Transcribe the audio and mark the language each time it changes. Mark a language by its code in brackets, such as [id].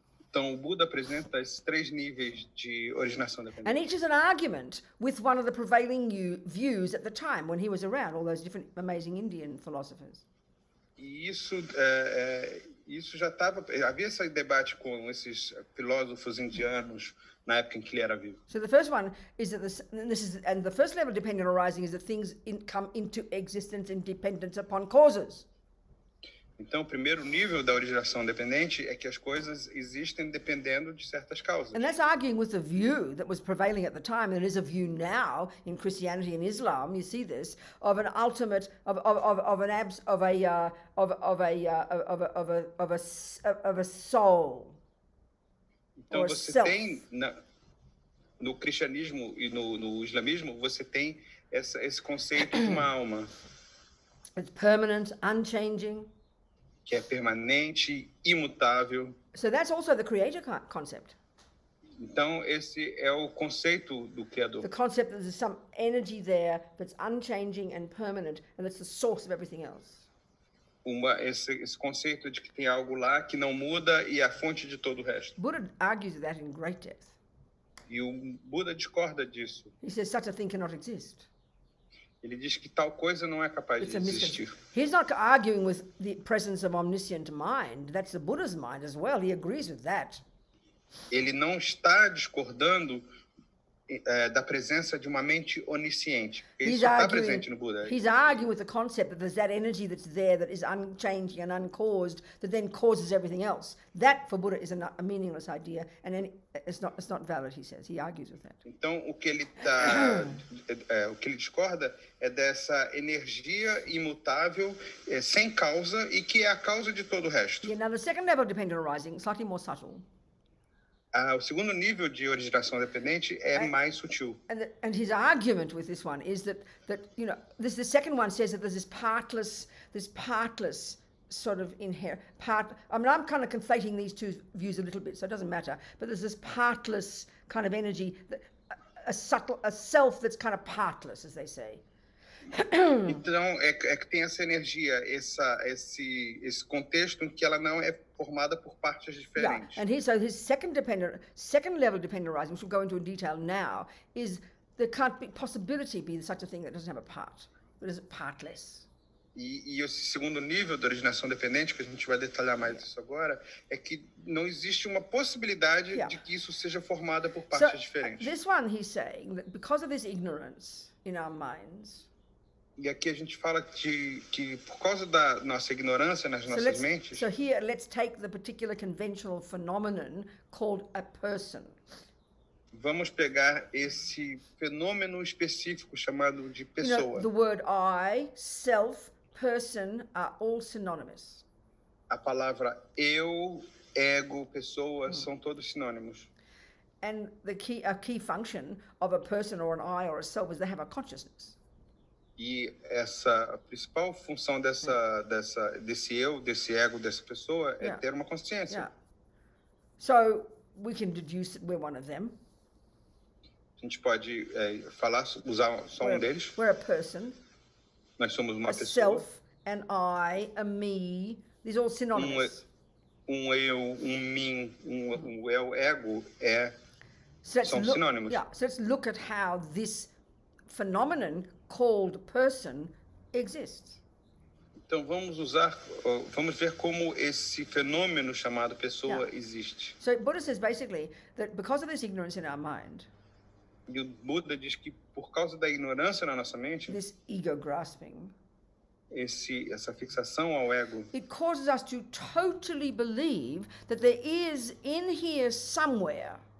[pt] Então, o Buda apresenta esses 3 níveis de originação dependente. [en] And each is an argument with one of the prevailing views at the time, when he was around, all those different amazing Indian philosophers. [pt] E isso já estava... Havia esse debate com esses filósofos indianos na época em que ele era vivo. [en] So the first one is that and the first level of dependent arising is that things come into existence in dependence upon causes. [pt] Então, o primeiro nível da originação dependente é que as coisas existem dependendo de certas causas. [en] And that's arguing with the view that was prevailing at the time, and there is a view now in Christianity and Islam, you see this, of an ultimate of a soul. [pt] Então, você tem no cristianismo e no islamismo, você tem esse conceito de uma alma. [en] It's permanent, unchanging. [pt] Que é permanente, imutável. [en] So that's also the creator concept. [pt] Então, esse é o conceito do criador. [en] The concept that there's some energy there that's unchanging and permanent, and that's the source of everything else. [pt] Esse conceito de que tem algo lá que não muda e é a fonte de todo o resto. [en] Buddha argues that in great depth. [pt] E o Buddha discorda disso. [en] He says such a thing cannot exist. [pt] Ele diz que tal coisa não é capaz [en] it's [pt] de existir. [en] He's not arguing with the presence of omniscient mind. That's the Buddha's mind as well. He agrees with that. [pt] Ele não está discordando da presença de uma mente onisciente. Ele está presente no Buddha. [en] He's arguing with the concept that there's that energy that's there that is unchanging and uncaused that then causes everything else. That for Buddha is a meaningless idea and it's not valid, he says. He argues with that. [pt] Então o que ele está o que ele discorda é dessa energia imutável sem causa e que é a causa de todo o resto. [en] Yeah, now the second level of dependent arising, slightly more subtle. [pt] O segundo nível de originação dependente é mais sutil. [en] And his argument with this one is that you know, this the second one says that there's this partless sort of I'm kind of conflating these two views a little bit, so it doesn't matter. But there's this partless kind of energy, a subtle, a self that's kind of partless, as they say. [pt] Então, é que tem essa energia, esse contexto em que ela não é formada por partes diferentes. [en] Yeah. And his second level dependent arising, which we'll go into in detail now, is there can't be possibility be such a thing that doesn't have a part, that is partless. [pt] E esse segundo nível da originação dependente, que a gente vai detalhar mais isso agora, é que não existe uma possibilidade de que isso seja formada por partes diferentes. [en] This one he's saying that because of this ignorance in our minds. [pt] E aqui a gente fala que por causa da nossa ignorância nas nossas mentes. [en] So here let's take the particular conventional phenomenon called a person. [pt] Vamos pegar esse fenômeno específico chamado de pessoa. [en] You know, the word I, self, person are all synonymous. [pt] A palavra eu, ego, pessoa são todos sinônimos. [en] And the key function of a person or an I or a self is they have a consciousness. [pt] E essa a principal função dessa dessa desse eu, desse ego, dessa pessoa é ter uma consciência. [en] Yeah. So we can deduce that we're one of them. [pt] A gente pode falar, usar só um deles. [en] We're a person. [pt] Nós somos uma pessoa. [en] A self, an I, a me. These are all synonymous. [pt] Um eu, um mim, um eu, ego, são sinônimos. [en] Yeah, so let's look at how this phenomenon called person exists. [pt] Então vamos ver como esse fenômeno chamado pessoa existe. [en] So Buddha says basically that because of this ignorance in our mind, [pt] e o Buda diz que por causa da ignorância na nossa mente, [en] this ego grasping, [pt] essa fixação ao ego, [en] it causes us to totally believe that there is in here somewhere.